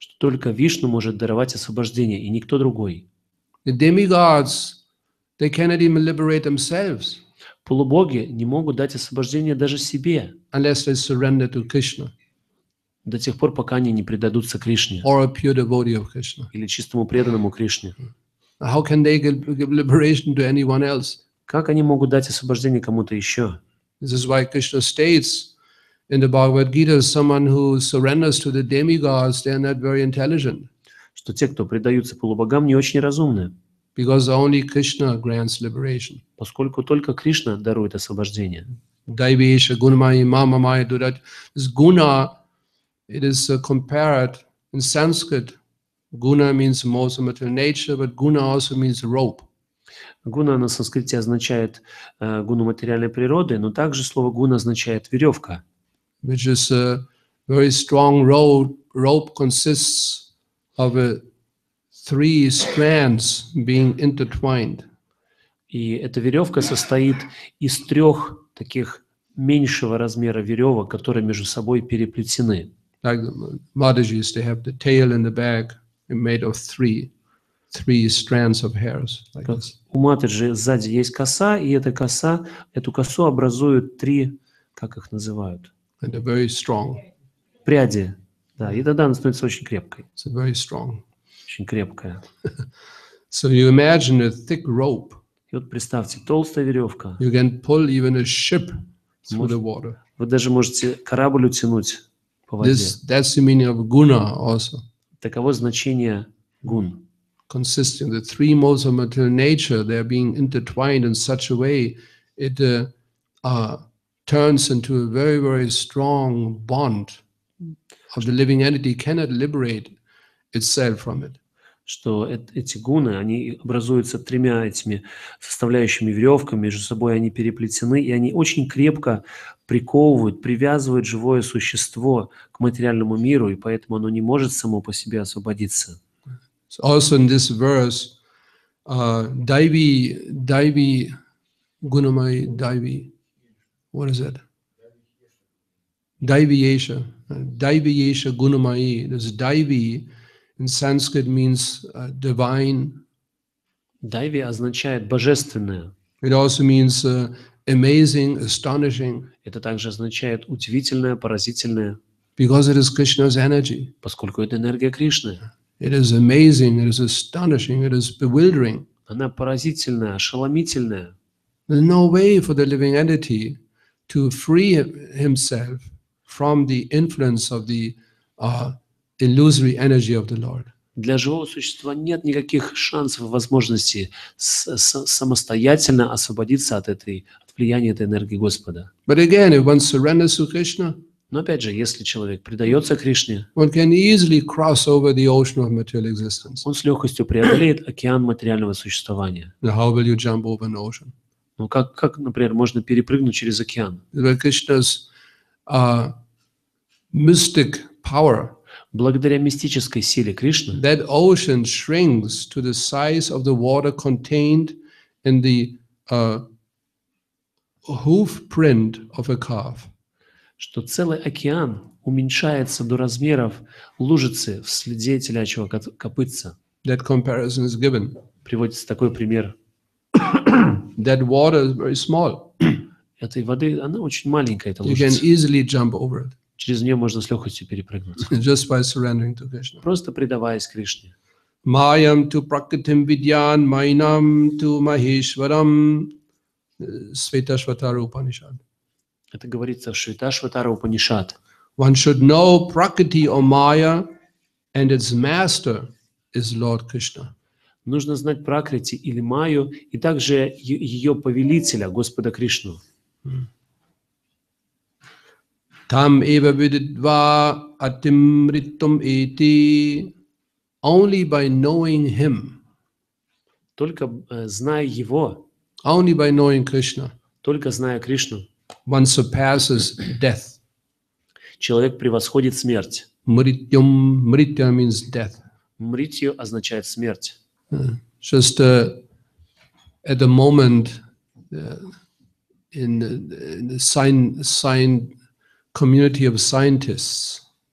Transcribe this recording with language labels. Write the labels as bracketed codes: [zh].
[ru] Только Вишну может даровать освобождение, и никто другой. [en] The demigods, they cannot even liberate themselves. [ru] Полубоги не могут дать освобождение даже себе. [en] Unless they surrender to Krishna. [ru] До тех пор, пока они не предадутся Кришне. [en] Or a pure devotee of Krishna. [ru] Или чистому преданному Кришне. [en] How can they give liberation to anyone else? [ru] Как они могут дать освобождение кому-то еще? [en] This is why Krishna states in the Bhagavad Gita, someone who surrenders to the demigods, they are not very intelligent. [ru] Что те, кто предаются полубогам, не очень разумны. [en] Because only Krishna grants liberation. [ru] Поскольку только Кришна дарует освобождение. [sa] Дайвеша, гунамай, мамамай, дурат. [en] This guna, it is compared in Sanskrit. Guna means most material nature, but guna also means rope. [ru] Гуна на санскрите означает гуну материальной природы, но также слово гуна означает веревка. [en] Which is a very strong rope consists of three strands being intertwined. [ru] И эта веревка состоит из трех таких меньшего размера веревок, которые между собой переплетены. [en] Like Madhaji used to have the tail in the back made of three strands of hairs. [ru] У Матаджи сзади есть коса, и эта коса, эту косу образуют три, как их называют? [en] And they're very strong. [ru] Пряди, да. И тогда она становится очень крепкой. [en] It's very strong. [ru] Очень крепкая. [en] So you imagine a thick rope. [ru] И вот представьте, толстая веревка. [en] You can pull even a ship through the water. [ru] Вы даже можете корабль утянуть по воде. [en] That's the meaning of guna also. [ru] Таково значение гун. [en] Consisting of the three modes of material nature, they are being intertwined in such a way it turns into a very, very strong bond of the living entity cannot liberate itself from it. [ru] Что эти гуны, они образуются тремя этими составляющими веревками, между собой они переплетены, и они очень крепко приковывают, привязывают живое существо к материальному миру, и поэтому оно не может само по себе освободиться. [en] So also in this verse, Daivi, Gunamai, Daivi, what is it? [sa] Daivi Yesha Gunamai, [en] this Daivi in Sanskrit means divine. [ru] Daivi означает божественное. [en] It also means amazing, astonishing. [ru] Это также означает удивительное, поразительное. [en] Because it is Krishna's energy. [ru] Поскольку это энергия Кришны. [en] It is amazing, it is astonishing, it is bewildering. [ru] Она поразительная, ошеломительная. [en] There's no way for the living entity to free himself from the influence of the illusory energy of the Lord. [ru] Для живого существа нет никаких шансов и возможностей самостоятельно освободиться от влияния этой энергии Господа. [en] But again, if one surrenders to Krishna, [ru] но опять же, если человек предается Кришне, [en] one can easily cross over the ocean of material existence. [ru] Он с легкостью преодолеет океан материального существования. [en] Now how will you jump over an ocean? [ru] Ну как, например, можно перепрыгнуть через океан? [en] Krishna's mystic power. [ru] Благодаря мистической силе Кришны. [en] That ocean shrinks to the size of the water contained in the hoof print of a calf. [ru] Что целый океан уменьшается до размеров лужицы в следе телячьего копытца. [en] That comparison is given. [ru] Приводится такой пример. [en] That water is very small. [ru] Этой воды, она очень маленькая, эта лужица. [en] You can easily jump over it. [ru] Через нее можно с легкостью перепрыгнуть. [en] Just by surrendering to Krishna. [ru] Просто предаваясь Кришне. [sa] Mayam tu prakritim vidyan, mainam tu maheshwaram. [en] Svetashvatara Upanishad. [ru] Это говорится в Шветашватара Упанишад. [en] One should know prakriti or maya, and its master is Lord Krishna. [ru] Нужно знать пракрити или майю, и также ее повелителя, Господа Кришну. [sa] Там эва видитва атимриттум эти. [en] Only by knowing him. [ru] Только зная его. [en] Only by knowing Krishna. [ru] Только зная Кришну. [en] One surpasses death. [ru] Человек превосходит смерть. [sa] Мритьям, мритья [en] means death. [ru] Мритью означает смерть. [en] Just at the moment in the community of scientists.